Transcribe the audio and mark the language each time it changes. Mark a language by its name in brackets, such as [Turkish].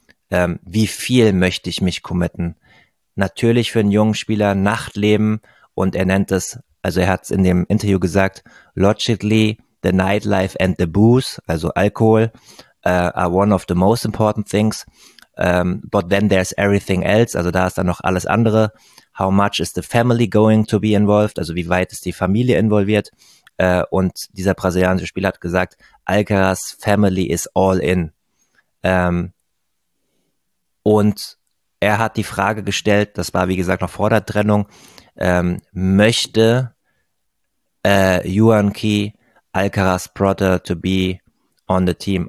[German] Wie viel möchte ich mich committen? Natürlich für einen jungen Spieler Nachtleben, und er nennt es, also er hat es in dem Interview gesagt, [English] logically the nightlife and the booze, [German] also Alkohol, [English] are one of the most important things. But then there's everything else, [German] also da ist dann noch alles andere. [English] How much is the family going to be involved? [German] Also wie weit ist die Familie involviert? Und dieser brasilianische Spieler hat gesagt, [English] Alcaraz family is all in. [German] Und er hat die Frage gestellt, das war wie gesagt noch vor der Trennung, möchte Yuan Key Alcaraz [English] brother to be on the team?